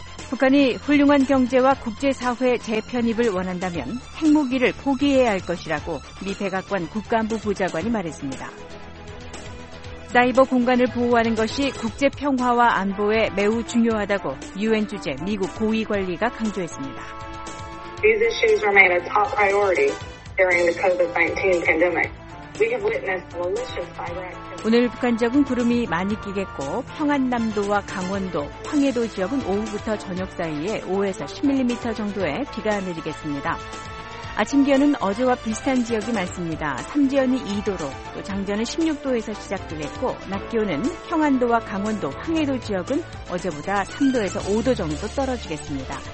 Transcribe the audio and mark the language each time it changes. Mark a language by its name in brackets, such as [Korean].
[Korean] 북한이 훌륭한 경제와 국제사회 재편입을 원한다면 핵무기를 포기해야 할 것이라고 미 백악관 국가안보 보좌관이 말했습니다. 사이버 공간을 보호하는 것이 국제평화와 안보에 매우 중요하다고 유엔 주재 미국 고위관리가 강조했습니다. [English] These issues remain a top priority during the COVID-19 pandemic. We have witnessed malicious cyber attacks. [Korean] 오늘 북한 지역은 구름이 많이 끼겠고 평안남도와 강원도, 황해도 지역은 오후부터 저녁 사이에 5에서 10mm 정도의 비가 내리겠습니다. 아침 기온은 어제와 비슷한 지역이 많습니다. 삼지연이 2도로, 또 장전은 16도에서 시작되겠고 낮 기온은 평안도와 강원도, 황해도 지역은 어제보다 3도에서 5도 정도 떨어지겠습니다.